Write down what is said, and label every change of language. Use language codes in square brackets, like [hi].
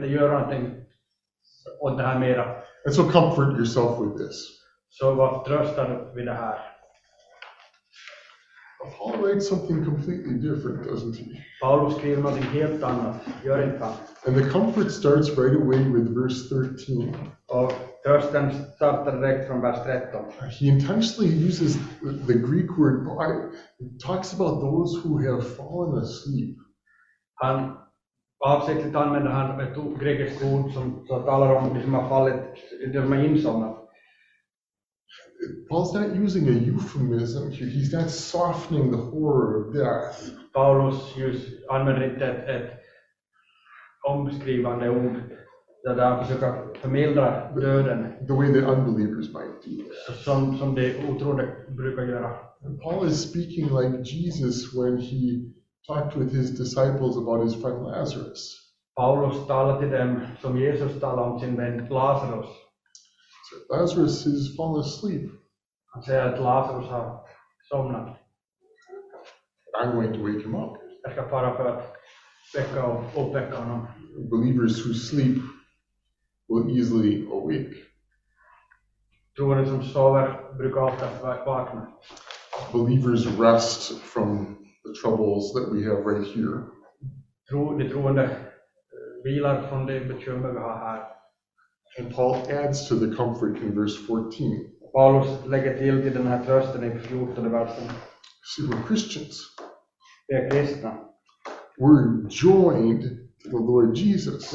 [en] And so comfort yourself with this. [sv] So vad tröstar du vid det här? [en] Paul writes something completely different, doesn't he? [sv] Paulus skriver något helt annat. Gör inte. [en] And the comfort starts right away with verse 13. [sv] Och trösten startar direkt från vers 13. [en] He intentionally uses the Greek word by. Talks about those who have fallen asleep. [sv] Han avsiktligt använder han ett grekiskt ord som talar om de som har fallit, de som har insomnat. [en] Paul's not using a euphemism here. He's not softening the horror of death. [sv] Paulus använder inte ett omskrivande ord där han försöker förmildra döden. [en] The way that unbelievers might do. [sv] Som de otroende brukar göra. [en] And Paul is speaking like Jesus when he talked with his disciples about his friend Lazarus. [sv] Paulus talar till dem som Jesus talar om sin vän Lazarus. [en] Lazarus has fallen asleep. [sv] Han säger att Lazarus har somnat. [en] I'm going to wake him up. [sv] Jag ska fara för att väcka och uppväcka honom. [en] Believers who sleep will easily awake. [sv] Troende som sover brukar ofta vakna. [en] Believers rest from the troubles that we have right here. [sv] De troende vilar från det bekymmer vi har här. [en] And Paul adds to the comfort in verse 14. [sv] Paulus lägger till den här trösten i 14 versen. [en] See, we're Christians. [sv] Vi är kristna. [en] We're joined to the Lord Jesus.